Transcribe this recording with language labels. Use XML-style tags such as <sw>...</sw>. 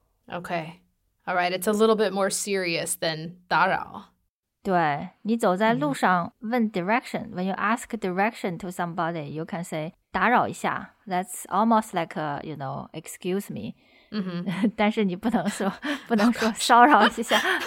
<en>Okay. All right. It's a little bit more serious than 打扰。</en> <zh>对，你走在路上问</zh> <en>direction,when you ask direction to somebody, you can say,</en> <zh>打扰一下</zh> <en>,that's almost like, a, you know, excuse me. Mm-hmm.</en> <zh>但是你不能说，不能说骚扰一下。</zh>